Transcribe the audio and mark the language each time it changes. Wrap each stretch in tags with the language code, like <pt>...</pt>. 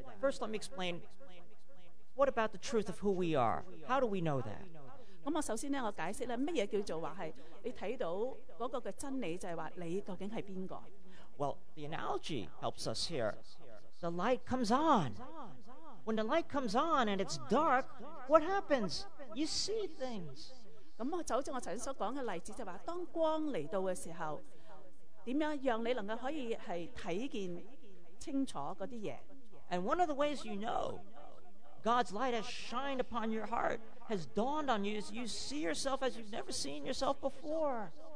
<en>First, let me explain, what about the truth of who we are? How do we know that?</en> <zh>首先我解釋什麼叫做你看到那個真理就是說你究竟是誰。</zh> <en>Well, the analogy helps us here. The light comes on. When the light comes on and it's dark, what happens? You see things.</en> <zh>就像我剛才所說的例子就是說當光來到的時候怎樣讓你能夠可以看見清楚那些東西。</zh> <en>And one of the ways you know God's light has shined upon your heart, has dawned on you, you see yourself as you've never seen yourself before.</en>